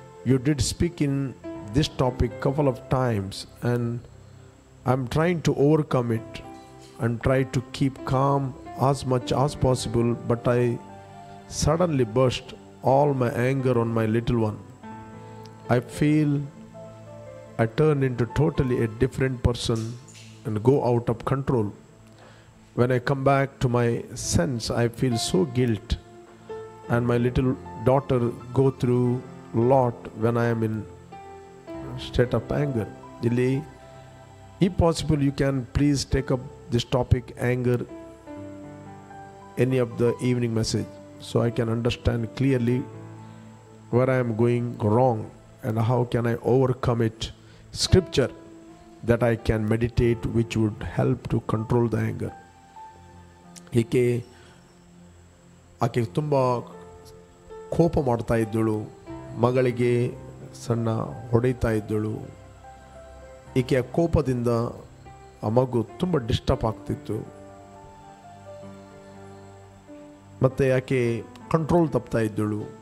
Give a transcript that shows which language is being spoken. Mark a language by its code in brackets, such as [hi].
[en] You did speak in this topic couple of times and I am trying to overcome it and try to keep calm as much as possible, but I suddenly burst all my anger on my little one. I feel I turn into totally a different person and go out of control. When I come back to my sense, I feel so guilt, and my little daughter go through lot when I am in state of anger. Dilly, if possible you can please take up this topic anger any of the evening message so I can understand clearly where I am going wrong and how can I overcome it. Scripture that I can meditate which would help to control the anger. [kn] ಹೀಗೆ ಆಕೆ ತುಂಬ ಕೋಪ ಮಾಡ್ತಾ ಇದ್ದಳು, ಮಗಳಿಗೆ ಸಣ್ಣ ಹೊಡೆಯುತ್ತಾ ಇದ್ದಳು. ಈಕೆಯ ಕೋಪದಿಂದ ಆ ಮಗು ತುಂಬ ಡಿಸ್ಟರ್ಬ್ ಆಗ್ತಿತ್ತು, ಮತ್ತು ಆಕೆ ಕಂಟ್ರೋಲ್ ತಪ್ತಾ ಇದ್ದಳು.